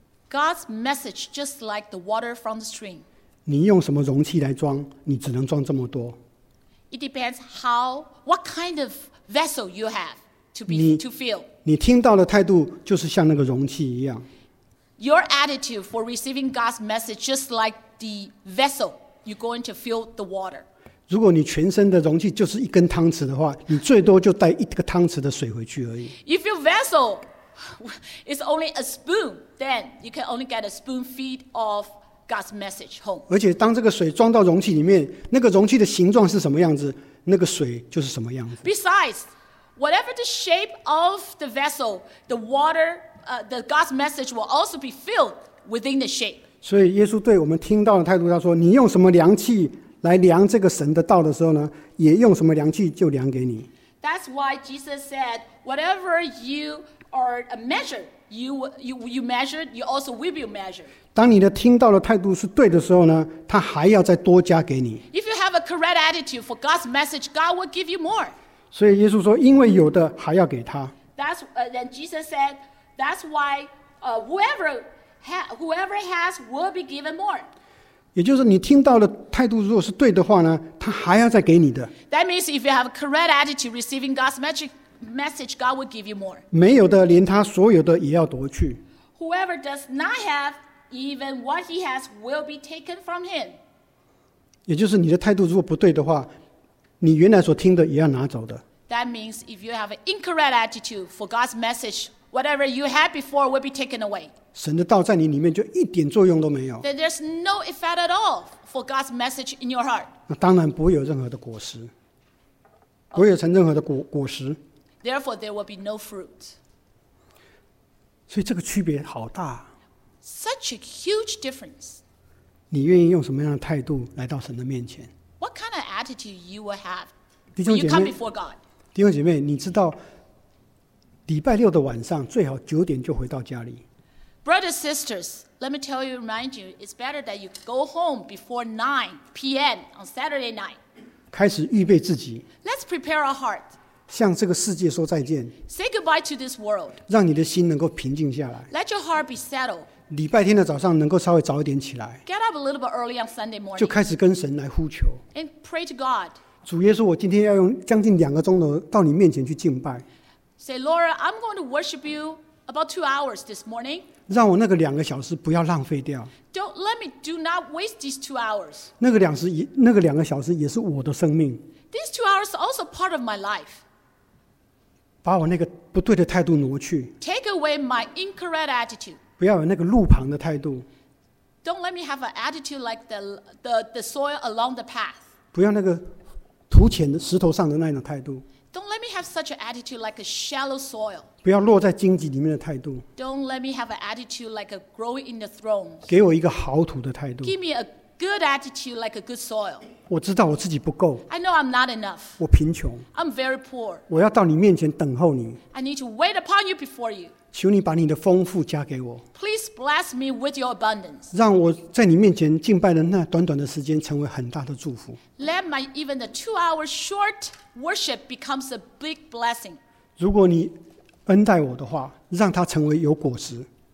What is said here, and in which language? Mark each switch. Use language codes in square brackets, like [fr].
[en] God's message just like the water from the stream. [zh] 你用什么容器来装，你只能装这么多。 [en] It depends how, what kind of vessel you have to fill. [zh] 你听到的态度就是像那个容器一样。 [en] Your attitude for receiving God's message just like the vessel you're going to fill the water. [zh] 如果你全身的容器就是一根汤匙的话，你最多就带一个汤匙的水回去而已。 [en] If your vessel is only a spoon, then you can only get a spoon feed of God's message home. [zh] 而且当这个水装到容器里面，那个容器的形状是什么样子，那个水就是什么样子。 [en] Besides, whatever the shape of the vessel, the water, the God's message will also be filled within the shape. [zh] 所以耶稣对我们听到的态度，他说：“你用什么凉气？” 来量这个神的道的时候呢，也用什么量器就量给你。 [en] That's why Jesus said, whatever you are measured, you measured, you also will be measured. [zh] 当你的听到的态度是对的时候呢，他还要再多加给你。 [en] If you have a correct attitude for God's message, God will give you more. [zh] 所以耶稣说，因为有的还要给他。 [en] Then Jesus said, that's why whoever has will be given more. [zh] 也就是你听到的态度如果是对的话呢，他还要再给你的。 [en] That means if you have a correct attitude receiving God's message, God will give you more. [zh] 没有的，连他所有的也要夺去。 [en] Whoever does not have even what he has will be taken from him. [zh] 也就是你的态度如果不对的话，你原来所听的也要拿走的。 [en] That means if you have an incorrect attitude for God's message, whatever you had before will be taken away. [zh] 神的道在你里面就一点作用都没有。 [en] Then there's no effect at all for God's message in your heart. [zh] 那当然不会有任何的果实，不会有成任何的果实。 [en] Therefore, there will be no fruit. [zh] 所以这个区别好大。 [en] Such a huge difference. [zh] 你愿意用什么样的态度来到神的面前 [en] ？What kind of attitude you will have when you come before God? [zh] 弟兄姐妹，你知道礼拜六的晚上最好九点就回到家里。 [en] Brothers, sisters, let me tell you, remind you, it's better that you go home before 9 p.m. on Saturday night. [zh] 开始预备自己, [en] Let's prepare our heart. [zh] 向这个世界说再见, [en] Say goodbye to this world. [zh] 让你的心能够平静下来, [en] Let your heart be settled. [zh] 礼拜天的早上能够稍微早一点起来, [en] Get up a little bit early on Sunday morning. [zh] 就开始跟神来呼求, [en] and pray to God. [zh] 主耶稣，我今天要用将近2个钟头到你面前去敬拜。 [en] Say, Laura, I'm going to worship you about 2 hours this morning. [zh] 让我那个2个小时不要浪费掉。 [en] Do not waste these 2 hours. [zh] 那个两个小时也是我的生命。 [en] These 2 hours are also part of my life. [zh] 把我那个不对的态度挪去。 [en] Take away my incorrect attitude. [zh] 不要有那个路旁的态度。 [en] Don't let me have an attitude like the soil along the path. [zh] 不要那个土浅的石头上的那种态度。 [en] Don't let me have such an attitude like a shallow soil. [zh] 不要落在荆棘里面的态度。 [en] Don't let me have an attitude like a growing in the thrones. [zh] 给我一个好土的态度。 [en] Give me a good attitude like a good soil. [zh] 我知道我自己不够。 [en] I know I'm not enough. [zh] 我贫穷。 [en] I'm very poor. [zh] 我要到你面前等候你。 [en] I need to wait upon you before you. [zh] 求你把你的丰富加给我。 [en] Please bless me with your abundance. [zh] 让我在你面前敬拜的那短短的时间成为很大的祝福。 [en] Let my even the 2 hours short worship becomes a big blessing. [zh] 如果你恩待我的话, 让它成为有果实。